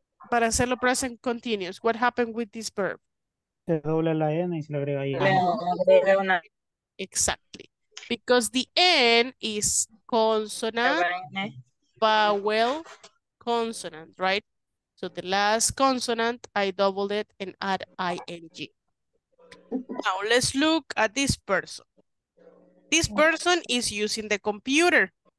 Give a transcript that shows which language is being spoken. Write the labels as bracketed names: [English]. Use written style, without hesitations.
[Spanish] Para hacerlo [English] present continuous, what happened with this verb? [Spanish] Se dobla la n y se le agrega ir. [English] Exactly. Because the n is consonant, vowel, consonant, right? So the last consonant, I doubled it and add ing. Now let's look at this person. This person is using the computer.